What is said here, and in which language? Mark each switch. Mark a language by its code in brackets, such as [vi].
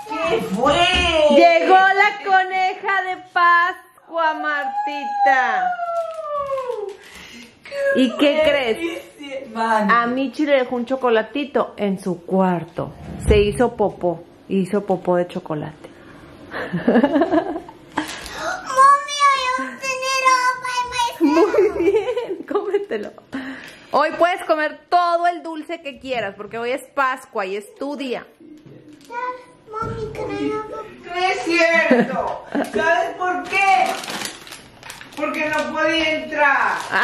[es] Llegó la coneja de Pascua, Martita. ¿Y qué crees? A Michi le dejó un chocolatito en su cuarto. Se hizo popó. Hizo popó de chocolate. [en] Mami, I opened it all by myself. [es] Muy bien, cómetelo. Hoy puedes comer todo el dulce que quieras, porque hoy es Pascua y es tu día. Mami, no es cierto. ¿Sabes por qué? Porque no podía entrar.